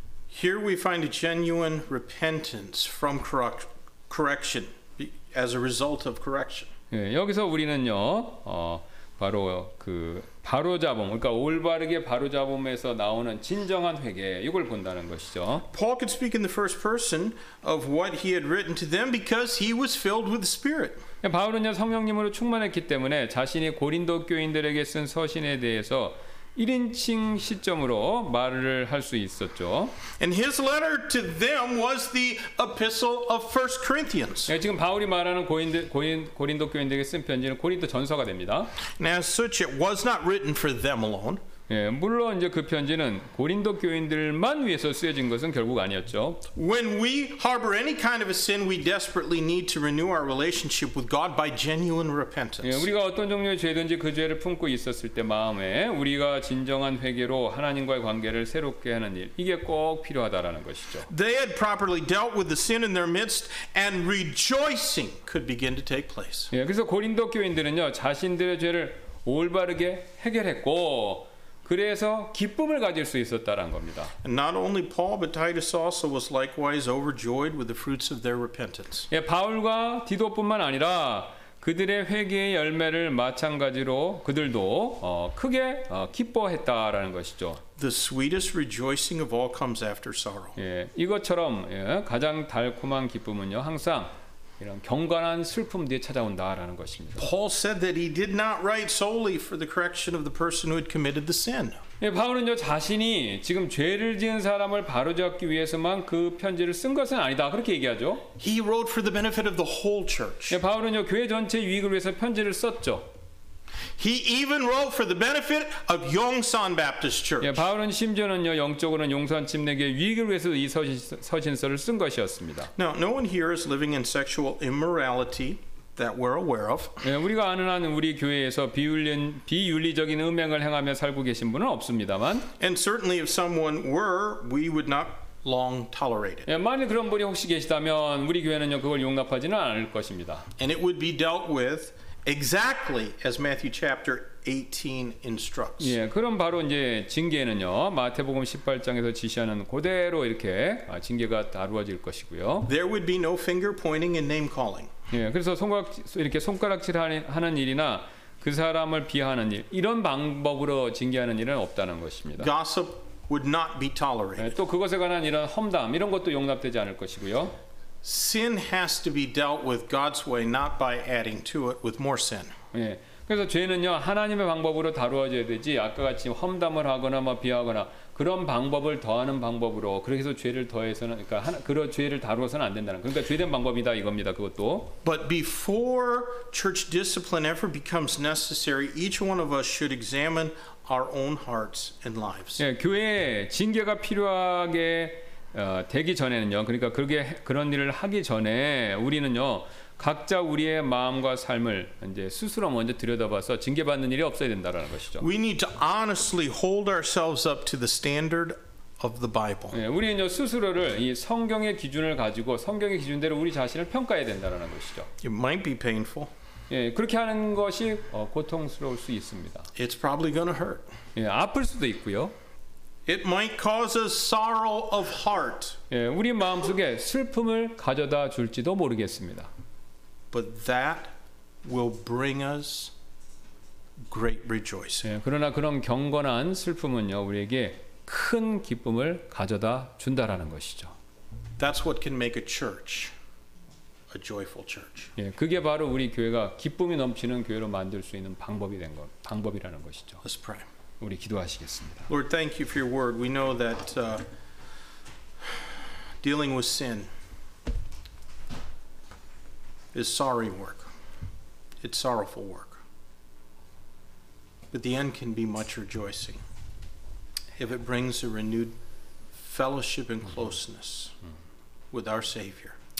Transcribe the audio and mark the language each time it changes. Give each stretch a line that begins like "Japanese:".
English: Here we find a genuine repentance from correction as a result of correction.
Korean: 예, 여기서 우리는요, 바로 그 바로잡음, 그러니까 올바르게 바로잡음에서 나오는 진정한 회개, 이걸 본다는 것이죠.
English: Paul could speak in the first person of what he had written to them because he was filled with the Spirit.
Korean: 바울은요, 성령님으로 충만했기 때문에 자신이 고린도 교인들에게 쓴 서신에 대해서 1인칭 시점으로 말을 할 수 있었죠.
English: And his letter to them was the epistle of 1 Corinthians.
Korean: 예, 지금 바울이 말하는 고린도 교인들에게 쓴 편지는 고린도 전서가 됩니다.
English: Now, as such, it was not written for them alone.
Korean: 예, 물론 이제 그 편지는 고린도 교인들만 위해서 쓰여진 것은 결국 아니었죠.
English: When we harbor any kind of a sin, we desperately need to renew our relationship with God by genuine repentance.
Korean: 예, 우리가 어떤 종류의 죄든지 그 죄를 품고 있었을 때 마음에 우리가 진정한 회개로 하나님과의 관계를 새롭게 하는 일, 이게 꼭 필요하다라는 것이죠.
English: They had properly dealt with the sin in their midst and rejoicing could begin to take place.
Korean: 예, 그래서 고린도 교인들은요, 자신들의 죄를 올바르게 해결했고 그래서 기쁨을 가질 수 있었다라는 겁니다.
English: And not only Paul but Titus also was likewise overjoyed with the fruits of their repentance.
Korean: 예, 바울과 디도뿐만 아니라 그들의 회개의 열매를 마찬가지로 그들도 크게 기뻐했다라는 것이죠.
English: The sweetest rejoicing of all comes after sorrow.
Korean: 예, 이것처럼 예, 가장 달콤한 기쁨은요, 항상 이런 경건한 슬픔 뒤에 찾아온다라는 것입니다.
English: Paul said that he did not write solely for the correction of the person who had committed the sin.
Korean: 예, 바울은요, 자신이 지금 죄를 지은 사람을 바로잡기 위해서만 그 편지를 쓴 것은 아니다. 그렇게 얘기하죠.
English: He wrote for the benefit of the whole church.
Korean: 예, 바울은요, 교회 전체 유익을 위해서 편지를 썼죠.
English: He even wrote for the benefit of Yongsan Baptist Church.
Korean: 예, 바울은 심지어는요, 영적으로는 용산 침례교회 유익을 위해서 이 서신서를 쓴 것이었습니다.
English: Now, no one here is living in sexual immorality that we're aware of.
Korean: 예, 우리가 아는 한 우리 교회에서 비윤리적인 음행을 행하며 살고 계신 분은 없습니다만.
English: And certainly if someone were, we would not long tolerated.
Korean: 예, 만약 그런 분이 혹시 계시다면 우리 교회는요, 그걸 용납하지는 않을 것입니다.
English: And it would be dealt with exactly as Matthew chapter 18 instructs.
Korean: 예, 그럼 바로 이제 징계는요, 마태복음 18장에서 지시하는 그대로 이렇게 징계가 다루어질 것이고요.
English: There would be no finger pointing and name calling.
Korean: 예, 그래서 손가락질하는 일이나 그 사람을 비하하는 일, 이런 방법으로 징계하는 일은 없다는 것입니다.
English: Gossip would not be tolerated.
Korean: 예, 또 그것에 관한 이런 험담, 이런 것도 용납되지 않을 것이고요.
English: Sin has to be dealt with God's way, not by adding to it with more sin.
Korean: 예, 그래서 죄는요, 하나님의 방법으로 다루어져야 되지, 아까 같이 험담을 하거나 뭐 비하거나 그런 방법을 더하는 방법으로, 그래서 죄를 더해서는, 그러니까 그런 죄를 다루어서는 안 된다는, 그러니까 죄된 방법이다 이겁니다, 그것도.
English: But before church discipline ever becomes necessary, each one of us should examine our own hearts and lives.
Korean: 예, 교회에 징계가 필요하게 되기 전에는요, 그러니까 그런 일을 하기 전에 우리는요, 각자 우리의 마음과 삶을 이제 스스로 먼저 들여다봐서 징계받는 일이 없어야 된다라는 것이죠.
English: We need to honestly hold ourselves up to the standard of the Bible.
Korean: 예, 우리는요, 스스로를 이 성경의 기준을 가지고 성경의 기준대로 우리 자신을 평가해야 된다라는 것이죠.
English: It might be painful.
Korean: 예, 그렇게 하는 것이 고통스러울 수 있습니다.
English: It's probably going to hurt.
Korean: 예, 아플 수도 있고요.
English: It might cause a sorrow of heart.
Korean: 예, 우리 마음속에 슬픔을 가져다 줄지도 모르겠습니다.
English: But that will bring us great rejoicing.
Korean: 예, 그러나 그런 경건한 슬픔은요, 우리에게 큰 기쁨을 가져다 준다라는 것이죠.
English: That's what can make a church a joyful church.
Korean: 예, 그게 바로 우리 교회가 기쁨이 넘치는 교회로 만들 수 있는 방법이라는 것이죠.
English: Let's pray.
Korean: 우리 기도하시겠습니다.
English: Lord, thank you for your word. We know that dealing with sin is sorry work. It's sorrowful work. But the end can be much rejoicing if it brings a renewed fellowship and closeness with our Savior.